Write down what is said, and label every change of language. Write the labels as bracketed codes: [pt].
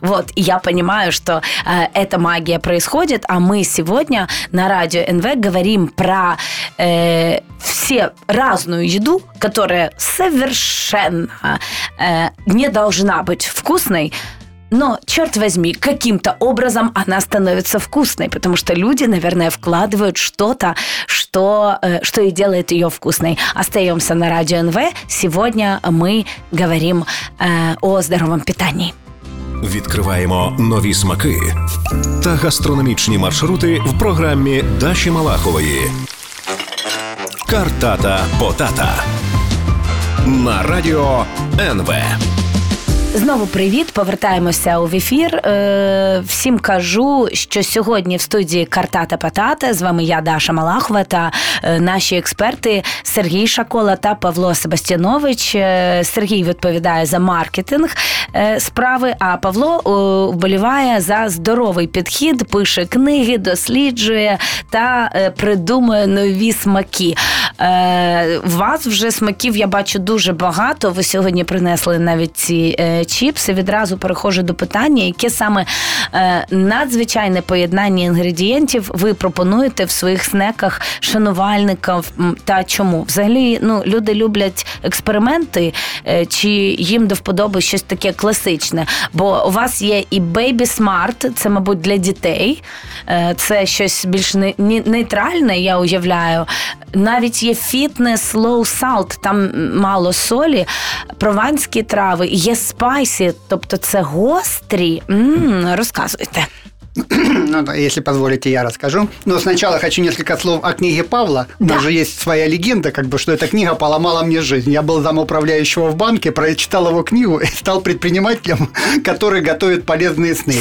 [ru] Вот, и я понимаю, что эта магия происходит, а мы сегодня на радио НВ говорим про все разную еду, которая совершенно не должна быть вкусной, но, черт возьми, каким-то образом она становится вкусной, потому что люди, наверное, вкладывают что-то, что и делает ее вкусной. Остаемся на радио НВ. Сегодня мы говорим о здоровом питании. [uk] Відкриваємо нові смаки та гастрономічні маршрути в програмі Даші Малахової. Картата-потата на радіо НВ. Знову привіт, повертаємося у ефір. Всім кажу, що сьогодні в студії «Картата-патата» з вами я, Даша Малахова, та наші експерти Сергій Шакола та Павло Себастьянович. Сергій відповідає за маркетинг справи, а Павло вболіває за здоровий підхід, пише книги, досліджує та придумує нові смаки. У вас вже смаків, я бачу, дуже багато. Ви сьогодні принесли навіть ці чіпси. Відразу переходжу до питання, яке саме надзвичайне поєднання інгредієнтів ви пропонуєте в своїх снеках шанувальникам та чому? Взагалі, ну, люди люблять експерименти, чи їм до вподоби щось таке класичне? Бо у вас є і Baby Smart, це, мабуть, для дітей. Це щось більш нейтральне, я уявляю. Навіть є фітнес low salt, там мало солі, прованські трави, є спайсі, тобто це гострі. Розказуйте. [ru] Ну, если позволите, я расскажу. Но сначала хочу несколько слов о книге Павла. У нас же есть своя легенда, как бы, что эта книга поломала мне жизнь. Я был замуправляющего в банке, прочитал его книгу и стал предпринимателем, который готовит полезные снеки.